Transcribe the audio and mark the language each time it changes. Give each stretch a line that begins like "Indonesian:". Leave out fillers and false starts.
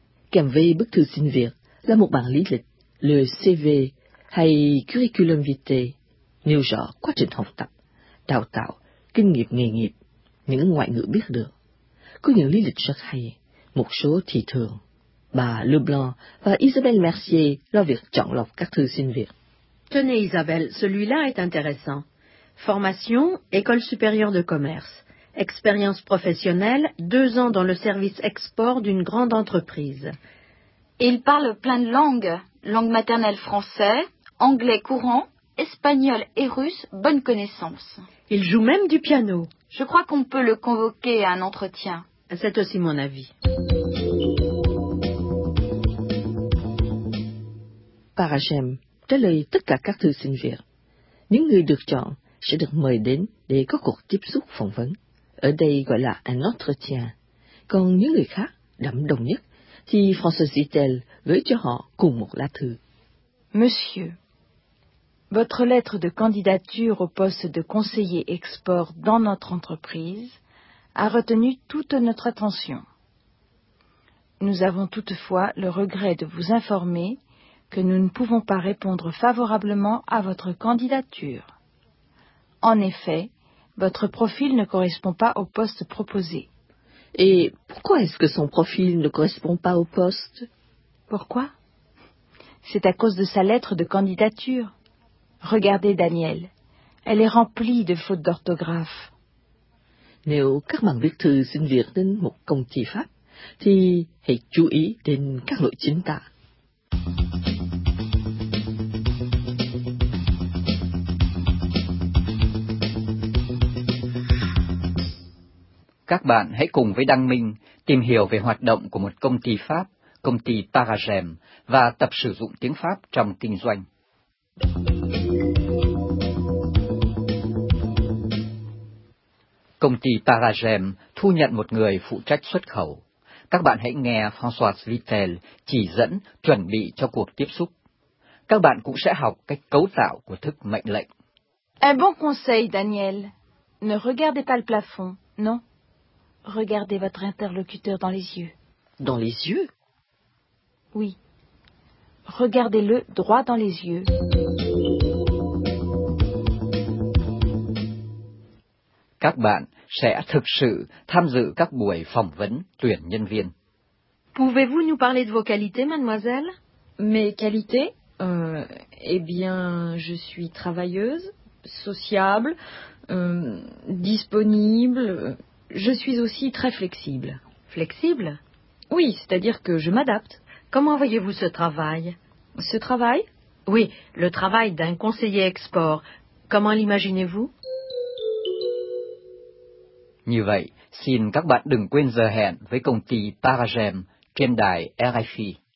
Vietnamese: Kèm về bức thư xin việc là một bản lý lịch, le CV hay curriculum vitae, nêu rõ quá trình học tập, đào tạo, kinh nghiệm nghề nghiệp, những ngoại ngữ biết được. Có những lý lịch rất hay, một số thì thường. Bà Leblanc và Isabelle Mercier lo việc chọn lọc các thư xin việc.
French: Tenez Isabelle, celui-là est intéressant. Formation, école supérieure de commerce. Expérience professionnelle, 2 ans dans le service export d'une grande entreprise. Il parle plein de langues. Langue maternelle français, anglais courant, espagnol et russe, bonne connaissance. Il joue même du piano. Je crois qu'on peut le convoquer à un entretien. C'est aussi mon avis.
Vietnamese: Parachem, trả lời tất cả các thư xin việc. Những người được chọn sẽ được mời đến để có cuộc tiếp xúc phỏng vấn. Ở đây gọi là un entretien. Còn những người khác, đậm đồng nhất, thì François Zittel gửi cho họ cùng một lá thư.
French: Monsieur, votre lettre de candidature au poste de conseiller export dans notre entreprise a retenu toute notre attention. Nous avons toutefois le regret de vous informer que nous ne pouvons pas répondre favorablement à votre candidature. En effet, votre profil ne correspond pas au poste proposé. Et pourquoi est-ce que son profil ne correspond pas au poste? Pourquoi? C'est à cause de sa lettre de candidature. Regardez, Daniel, elle est remplie de fautes d'orthographe.
Vietnamese: Nếu các bạn viết thư xin việc đến một công ty Pháp, thì hãy chú ý đến các lỗi chính tả. Các bạn hãy cùng với Đăng Minh tìm hiểu về hoạt động của một công ty Pháp, công ty Paragem, và tập sử dụng tiếng Pháp trong kinh doanh. Công ty Paragem thu nhận một người phụ trách xuất khẩu. Các bạn hãy nghe François Vittel chỉ dẫn chuẩn bị cho cuộc tiếp xúc. Các bạn cũng sẽ học cách cấu tạo của thức mệnh lệnh.
French: Un bon conseil, Daniel. Ne regardez pas le plafond, non? Regardez votre interlocuteur dans les yeux. Dans les yeux? Oui. Regardez-le droit dans les yeux.
Vietnamese: Các bạn sẽ thực sự tham dự các buổi phỏng vấn tuyển nhân viên.
French: Pouvez-vous nous parler de vos qualités, mademoiselle? Mes qualités? Je suis travailleuse, sociable, disponible. Je suis aussi très flexible. Flexible? Oui, c'est-à-dire que je m'adapte. Comment voyez-vous ce travail? Ce travail? Oui, le travail d'un conseiller export. Comment l'imaginez-vous?
Vietnamese: Như vậy, xin các bạn đừng quên giờ hẹn với công ty Paragem trên đài RFI.